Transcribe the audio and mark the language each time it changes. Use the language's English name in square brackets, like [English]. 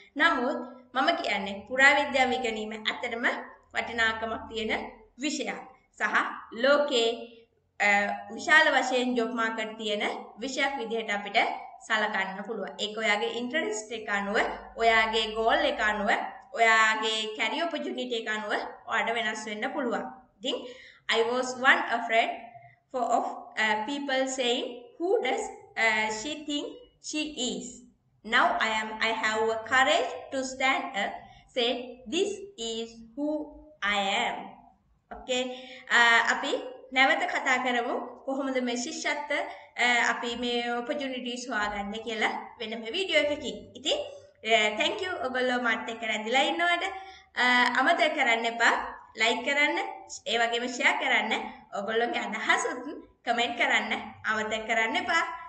[Sinhala] නමුත් මම කියන්නේ පුරා විද්‍යාව ඉගෙනීම ඇත්තටම වටිනාකමක් තියෙන විෂයක් සහ ලෝකේ විශාල වශයෙන් ජොබ් මාකට් තියෙන විෂයක් විදිහට අපිට සලකන්න පුළුවන්. ඒක ඔයාගේ ඉන්ටරෙස්ට් එක අනුව, ඔයාගේ ගෝල් එක අනුව, ඔයාගේ කැරියර් ඔපචුනිටි එක අනුව ඔයාට වෙනස් වෙන්න පුළුවන්. ඉතින් [English] I was one afraid for of people saying who does she think she is. Now I have a courage to stand up say this is who I am. Okay. [Sinhala] අපි නැවත කතා කරමු කොහොමද මේ ශිෂ්‍යත්ව අපි මේ ඔපචුනිටිස් හොයාගන්නේ කියලා වෙනම වීඩියෝ එකකින්. ඉතින් [English] thank you [Sinhala] ඔබලෝ මාත් එක්ක රැඳිලා ඉන්නවට අමතක කරන්න එපා ලයික් කරන්න, ඒ වගේම ෂෙයාර් කරන්න, ඔබලෝගේ අදහස් කමෙන්ට් කරන්න අමතක කරන්න එපා.